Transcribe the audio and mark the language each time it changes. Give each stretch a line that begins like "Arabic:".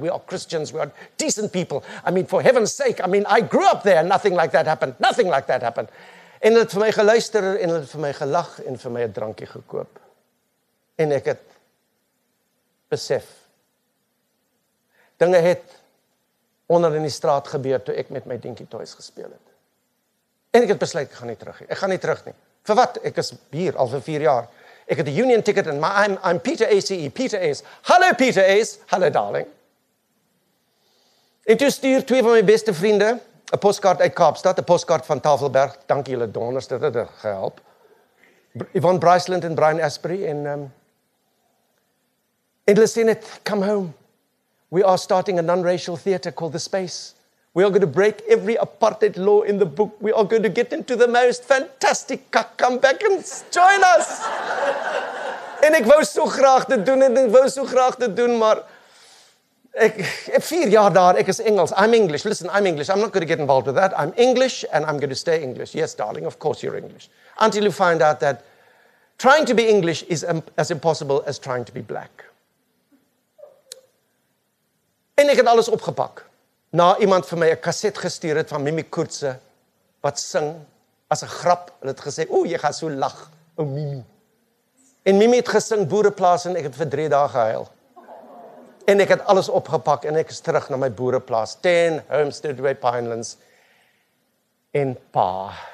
English: We are Christians, we are decent people. I mean, for heaven's sake, I mean, I grew up there, nothing like that happened, nothing like that happened.
Afrikaans: En het vir my geluister, en het vir my gelag, en vir my 'n drankie gekoop. En ek het besef, dinge het onder in die straat gebeur, toe ek met my dinkie toys gespeel het. En ek het besluit, ek gaan nie terug nie. Vir wat? Ek is hier al vir 4 jaar. Ek het die union ticket en
English: I'm Peter ACE,
Afrikaans: Peter Ace. Hallo Peter Ace, hallo darling. En toe stuur 2 van my beste vriende, 'n postkaart uit Kaapstad, 'n postkaart van Tafelberg. Dankie julle donors, dit het gehelp. Yvonne Bryceland en Brian Asprey. En hulle sê net,
English: come home. We are starting a non-racial theatre called The Space. We are going to break every apartheid law in the book. We are going to get into the most fantastic comeback and join us.
Afrikaans: En ek wou so graag dit doen, maar ek heb 4 jaar daar, ek is Engels.
English: I'm English, listen, I'm English. I'm not going to get involved with that. I'm English and I'm going to stay English. Yes, darling, of course you're English. Until you find out that trying to be English is as impossible as trying to be black.
Afrikaans: En ek het alles opgepak. Na iemand vir my 'n kaset gestuur het van Mimi Koetse, wat sing as 'n grap, en het gesê, o, jy gaan so lag, o Mimi. En Mimi het gesing Boereplaas, en ek het vir 3 dae gehuil. En ek het alles opgepak, en ek is terug na my Boereplaas, 10 Homestead by Pinelands, en pa.